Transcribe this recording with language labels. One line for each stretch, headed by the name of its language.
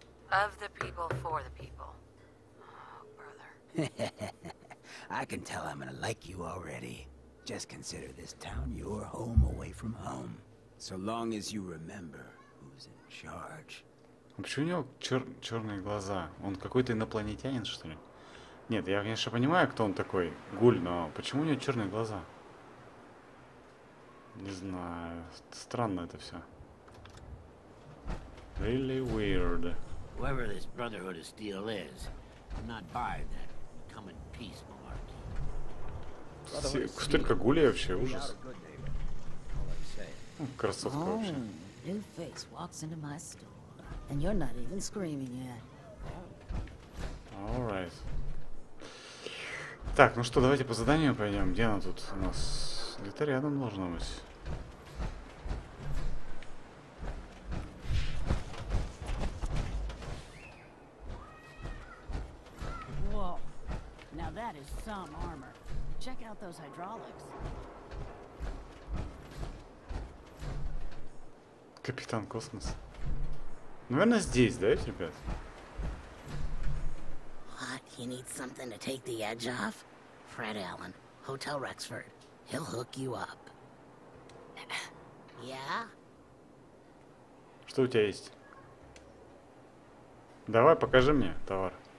English: Of the people, for the people. Oh, brother. I can tell I'm gonna like you already. Just consider this town your home away from home. So long as you remember who's in charge.
Russian: А почему у него черные глаза? Он какой-то инопланетянин, что ли? Нет, я, конечно, понимаю, кто он такой, Гуль, но почему у него черные глаза? Не знаю. Странно это все.
English: Really weird. Whoever this Brotherhood of Steel is, I'm not buying that. Come in peace, Malarkey.
Russian: Кустылька Гули вообще ужас. Красотка вообще.
English: New face walks into my store, and you're not even screaming yet. All right.
Russian: Так, ну что, давайте по заданию пойдем. Где она тут у нас? Где-то рядом должно быть. Капитан Космос. Наверное, здесь, да, ребят?
English: What? You need something to take the edge off? Fred Allen, Hotel Rexford. He'll hook you up. Yeah?
Russian: Что у тебя есть? Давай, покажи мне товар.